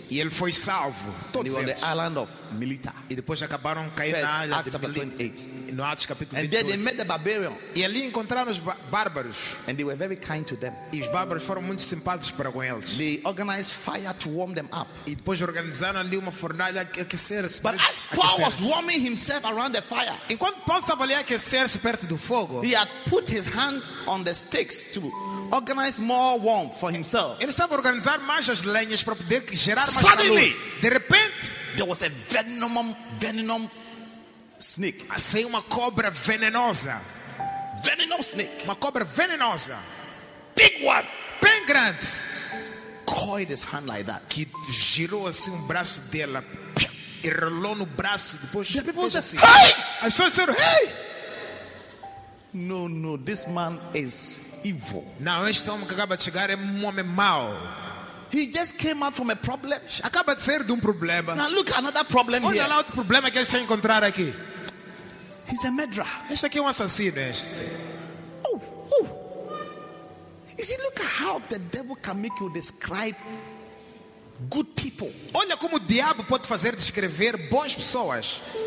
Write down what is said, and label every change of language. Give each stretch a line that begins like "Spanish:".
Portuguese: E ele foi salvo.
English: They were on the island of Milita.
Portuguese: E depois acabaram caindo na ilha de Milita. No Atos capítulo
English: 28. And there they met the barbarian.
Portuguese: E ali encontraram os bárbaros.
English: And they were very kind to them.
Portuguese: E os bárbaros foram muito simpáticos para com eles.
English: They organized fire to warm them up.
Portuguese: E depois organizaram ali uma fornalha aquecer.
English: But as Paul was warming himself around the fire,
Portuguese: enquanto Paulo estava ali aquecer-se perto do fogo,
English: he had put his hand on the sticks to organize more warmth for himself.
Portuguese: Ele estava a organizar mais as lenhas para poder gerar mais
English: suddenly,
Portuguese: calor. De repente,
English: there was a venom snake.
Portuguese: Assim, uma cobra venenosa.
English: Venom snake.
Portuguese: Uma cobra venenosa.
English: Big one.
Portuguese: Bem grande.
English: Coiled his hand like that.
Portuguese: Que girou assim o braço dela. E rolou no braço. Depois,
English: the people
Portuguese: depois assim. Hey! As pessoas disseram, hey!
English: No, no, this man is evil.
Portuguese: Não, este homem que acaba de chegar é um homem mau.
English: He just came out from a problem.
Portuguese: Acaba de sair de problema.
English: Now look at another problem.
Portuguese: Olha
English: here.
Portuguese: Olha lá outro problema que ele encontrar aqui.
English: He's a murderer.
Portuguese: Este aqui é assassino. Este. Oh, oh.
English: You see, look at how the devil can make you describe good people.
Portuguese: Olha como o diabo pode fazer descrever boas pessoas.